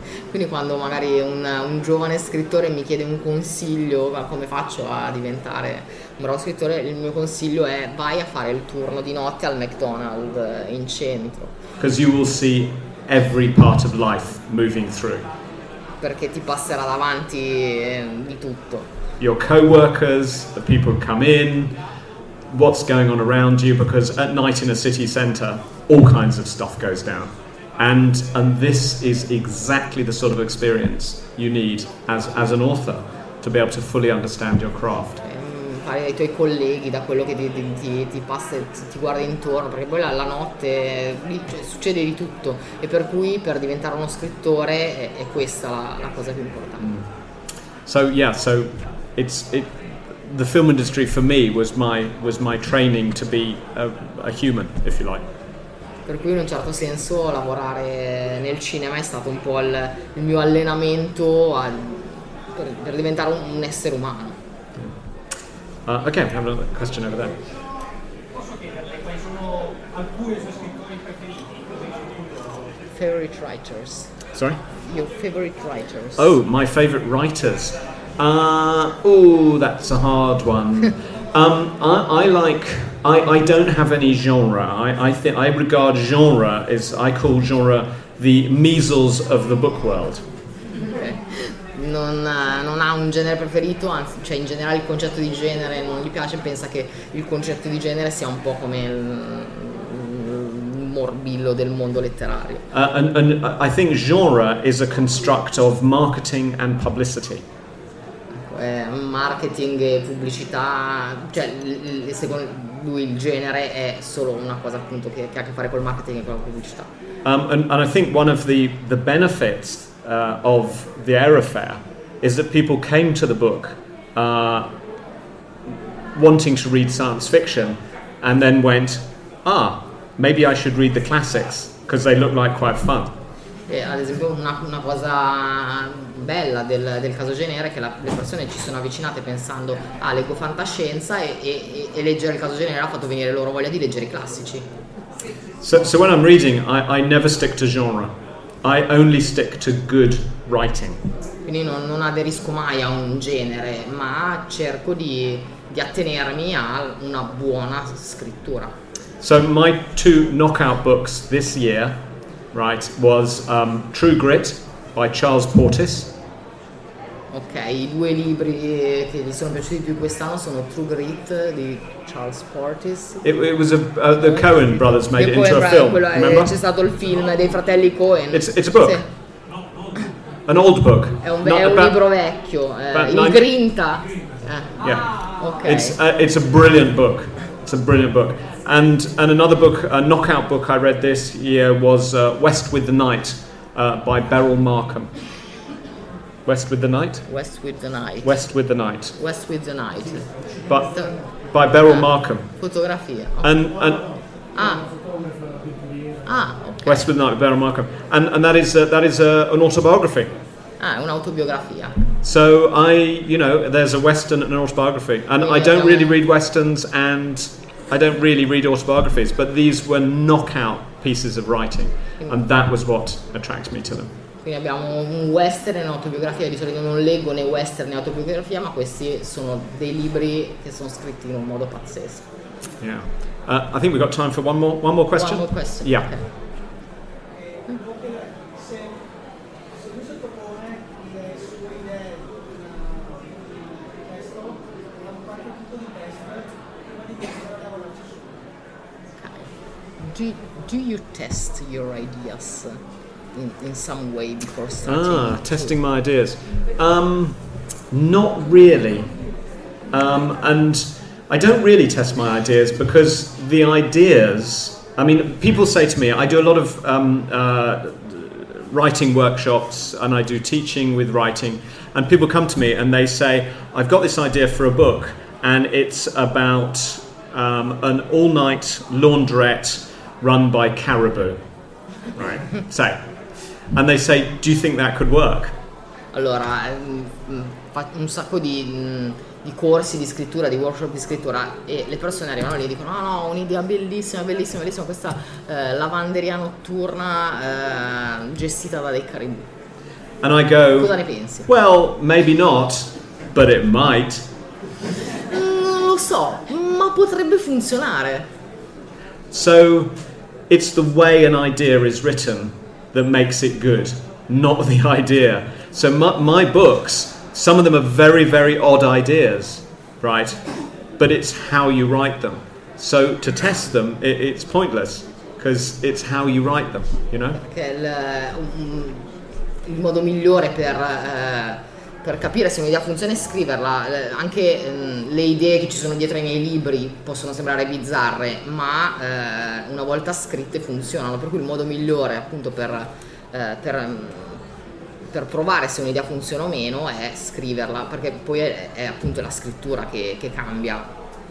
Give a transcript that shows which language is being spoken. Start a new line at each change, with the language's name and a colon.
Italian: Quindi quando magari un giovane scrittore mi chiede un consiglio, ma come faccio a diventare un bravo scrittore, il mio consiglio è vai a fare il turno di notte al McDonald's in centro.
English: Because you will see every part of life moving through.
Italian: Perché ti passerà davanti di tutto.
English: Your co-workers, the people who come in, what's going on around you, because at night in a city center, all kinds of stuff goes down. And this is exactly the sort of experience you need as an author to be able to fully understand your craft.
Italian: Fare ai tuoi colleghi, da quello che ti passa, ti guarda intorno, perché poi la notte succede di tutto, e per cui per diventare uno scrittore è questa la cosa più importante.
English: So it's the film industry for me was my training to be a human, if you like.
Italian: Per cui in un certo senso lavorare nel cinema è stato un po' il mio allenamento per diventare un essere umano.
English: Ok,
Italian: abbiamo
English: another question over there.
Italian: Posso chiederle quali sono alcuni dei suoi scrittori preferiti?
English: Favorite writers. Sorry? Your favorite writers. Oh, my favorite writers. That's a hard one. I don't have any genre. I regard genre as, I call genre the measles of the book world. Okay.
Italian: Non ha un genere preferito, anzi, cioè in generale il concetto di genere non gli piace, pensa che il concetto di genere sia un po' come il morbillo del mondo letterario.
English: And I think genre is a construct of marketing and publicity.
Italian: Marketing e pubblicità, cioè secondo lui il genere è solo una cosa appunto che ha a che fare col marketing e con la pubblicità.
English: And I think one of the benefits of the Air Affair is that people came to the book wanting to read science fiction and then went, ah, maybe I should read the classics because they look like quite fun.
Italian: E ad esempio una cosa bella del caso genere è che le persone ci sono avvicinate pensando a leggo fantascienza e leggere il caso genere ha fatto venire loro voglia di leggere i classici.
English: So when I'm reading I never stick to genre, I only stick to good writing.
Italian: Quindi non aderisco mai a un genere, ma cerco di attenermi a una buona scrittura.
English: So my two knockout books this year, right, was True Grit by Charles Portis.
Italian: Okay, i due libri che mi sono piaciuti più quest'anno sono True Grit di Charles Portis.
English: It was the Coen brothers made it into a film. Remember?
Italian: C'è stato il film dei fratelli Coen.
English: It's a book.
Italian: Sì.
English: An old book.
Italian: È un libro vecchio. Il Grinta.
English: Yeah. Okay. It's a brilliant book. It's a brilliant book. And another book, a knockout book I read this year was West with the Night by Beryl Markham. West with the Night? West with the Night. West with the Night. West with the Night. But by Beryl Markham.
Italian: Fotografia. Okay.
English: Okay. West with the Night by Beryl Markham. And that is an autobiography.
Italian: Ah, un'autobiografia.
English: So I, you know, there's a Western and an autobiography. And I don't really read Westerns and I don't really read autobiographies, but these were knockout pieces of writing, and that was what attracted me to them.
Italian: Quindi abbiamo un western e un'autobiografia. Di solito non leggo né western né autobiografia, ma questi sono dei libri che sono scritti in un modo pazzesco.
English: Yeah, I think we've got time for one more question. One more question. Yeah. Okay. Do you test your ideas in some way before starting? Testing my ideas. Not really. And I don't really test my ideas because the ideas, I mean, people say to me, I do a lot of writing workshops and I do teaching with writing, and people come to me and they say, I've got this idea for a book, and it's about an all-night laundrette run by caribou, right? So, and they say, do you think that could work?
Italian: Allora, un sacco di corsi di scrittura, di workshop di scrittura, e le persone arrivano lì e dicono, no, un'idea bellissima, bellissima, bellissima, questa lavanderia notturna gestita da dei caribou.
English: And I go,
Italian: cosa ne pensi?
English: Well, maybe not, but it might.
Italian: Non lo so, ma potrebbe funzionare.
English: So, it's the way an idea is written that makes it good, not the idea. So my books, some of them are very, very odd ideas, right? But it's how you write them. So to test them, it's pointless, because it's how you write them, you know?
Italian: Perché il modo migliore per capire se un'idea funziona è scriverla. Anche le idee che ci sono dietro ai miei libri possono sembrare bizzarre, ma una volta scritte funzionano. Per cui il modo migliore, appunto, per provare se un'idea funziona o meno è scriverla, perché poi è appunto la scrittura che cambia.